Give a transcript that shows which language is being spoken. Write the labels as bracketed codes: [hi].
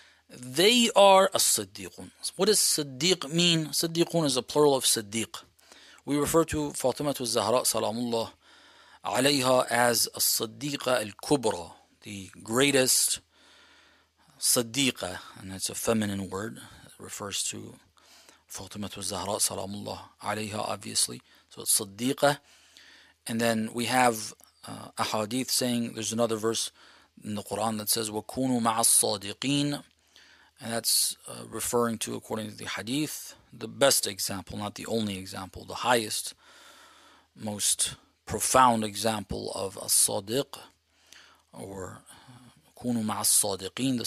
[en] They are الصَّدِّيقُونَ. What does صَدِّيق mean? صَدِّيقُونَ is a plural of صَدِّيق. We refer to Fatima al-Zahra, Salamullah عليها, as الصديقة الكبرى, the greatest صديقة, and it's a feminine word. It refers to [ar] فاطمة الزهراء سلام الله عليها, [en] obviously. So it's صديقة. And then we have ahadith saying, there's another verse in the Quran that says [ar] وَكُونُوا مَعَ الصَّادِقِينَ, [en] and that's referring to, according to the hadith, the best example, not the only example, the highest, most profound example of as-sadiq, or kunu ma'a as-sadiqin.